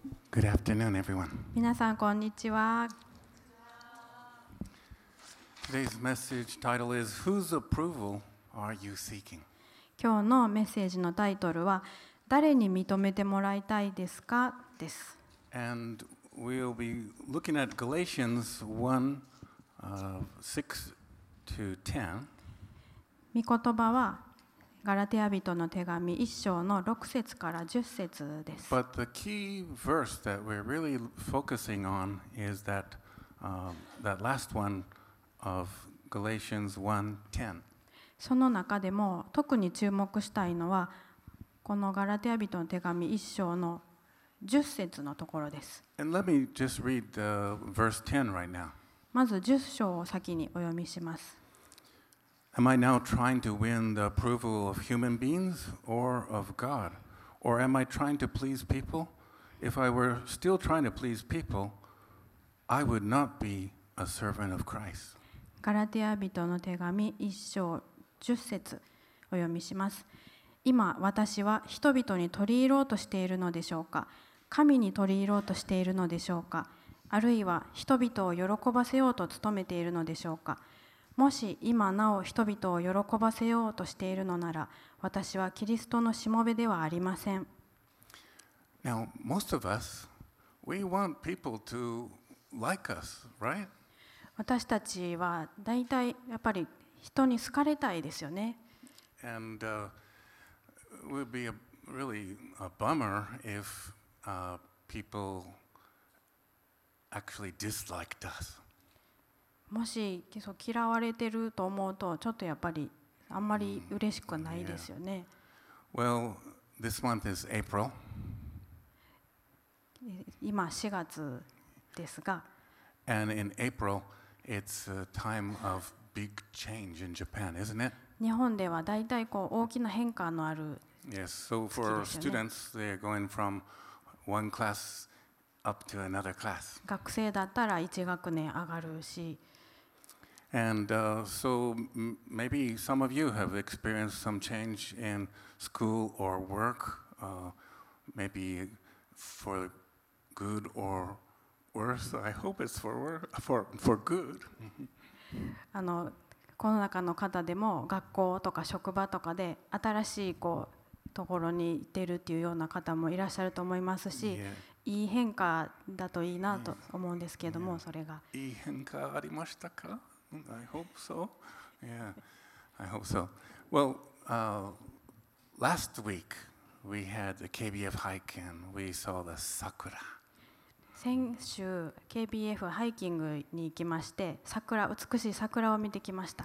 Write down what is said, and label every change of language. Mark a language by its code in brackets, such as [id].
[en] Good afternoon, everyone. [ja] 皆さん、こんにちは。 [en] Today's message title is Whose approval are you seeking? [ja] 今日のメッセージのタイトルは誰に認めてもらいたいですかです。 [en] And we'll be looking at Galatians 1, 6 to 10. [ja] 御言葉はガラテヤ人の手紙1章の6節から10節です。 [en] But the key verse that we're really focusing on is that, that last one of Galatians 1:10. [ja] その中でも特に注目したいのはこのガラテヤ人の手紙1章の10節のところです。 [en] And let me just read the verse 10 right now. [ja] まず10章を先にお読みします。 [en] Am I now trying to win the approval of human beings or of God? Or am I trying to please people? If I were still trying to please people, I would not be a servant of Christ. [ja] ガラテヤ人の手紙一章十節お読みします。今私は人々に取り入ろうとしているのでしょうか？神に取り入ろうとしているのでしょうか？あるいは人々を喜ばせようと努めているのでしょうか？もし今なお人々を喜ばせようとしているのなら、私はキリストのしもべではありません。 [en] Now, most of us, we want people to like us, right? [ja] 私たちは大体やっぱり人に好かれたいですよね。 [en] And it would be really a bummer if people actually disliked us. [ja] もし嫌われてると思うとちょっとやっぱりあんまり嬉しくないですよね。 [en] Yeah. Well, this month is April. [ja] 今4月ですが。 [en] And in April, it's a time of big change in Japan, isn't it? [ja] 日本ではだいたい大きな変化のある月ですよね。 [en] Yes, so for students, they're going from one class up to another class. [ja] 学生だったら1学年上がるし、 [en] And so maybe some of you have experienced some change in school or work, maybe for good or worse. I hope it's for good. [ja] この中の方でも学校とか職場とかで新しいところに行ってるっていうような方もいらっしゃると思いますし、いい変化だといいなと思うんですけれども、それが。いい変化ありましたか？ [en] I hope so. Yeah, I hope so. Well, last week we had the KBF hike and we saw the sakura. [ja] 先週 KBF ハイキングに行きまして、桜、美しい桜を見てきました。